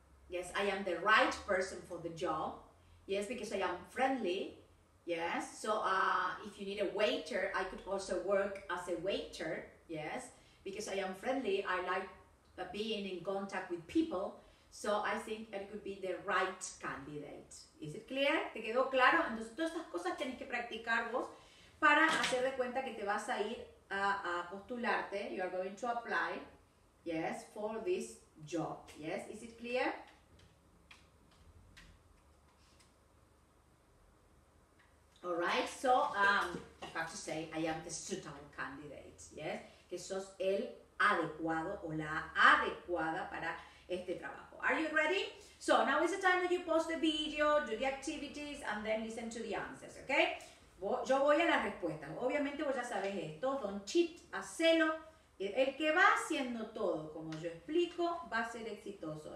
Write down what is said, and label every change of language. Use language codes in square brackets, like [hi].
[en] Yes, I am the right person for the job. Yes, because I am friendly. Yes. So if you need a waiter, I could also work as a waiter. Yes. Because I am friendly, I like being in contact with people. So I think it could be the right candidate. Is it clear? [es] ¿Te quedó claro? Entonces todas estas cosas tienes que practicar vos para hacer de cuenta que te vas a ir a postularte. [en] You are going to apply, yes, for this job. Yes, is it clear? All right, so I have to say I am the suitable candidate, yes, [es] que sos el adecuado o la adecuada para este trabajo. [en] Are you ready? So now is the time that you pause the video, do the activities, and then listen to the answers, okay? [es] Yo voy a las respuestas. Obviamente vos ya sabes esto. [en] Don't cheat, [es] hacelo. El que va haciendo todo, como yo explico, va a ser exitoso.